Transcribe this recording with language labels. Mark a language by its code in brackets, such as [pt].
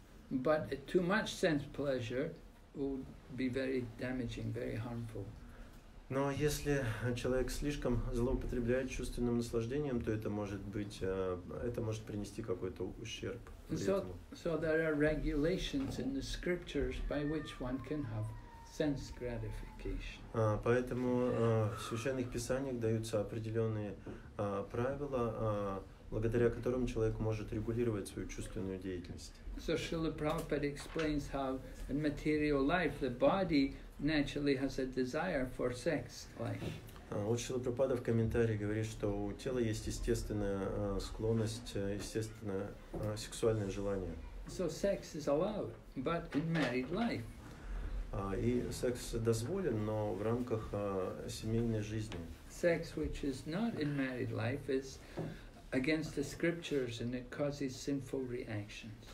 [en] But too much sense pleasure would be very damaging, very harmful. [ru] Но если человек слишком злоупотребляет чувственным наслаждением, то это может принести какой-то ущерб. [en] So there are regulations in the scriptures by which one can have sense gratification. [ru] Поэтому в священных писаниях даются определенные правила, благодаря которым человек может регулировать свою чувственную деятельность. [en] So Srila Prabhupada explains how in material life the body naturally has a desire for sex life. [ru] Вот Шрила Прабхупада в комментарии говорит, что у тела есть естественная склонность, естественное сексуальное желание. [en] So sex is allowed, but in married life. [ru] И секс дозволен, но в рамках семейной жизни. [en] Sex, which is not in married life, is against the scriptures and it causes sinful reactions.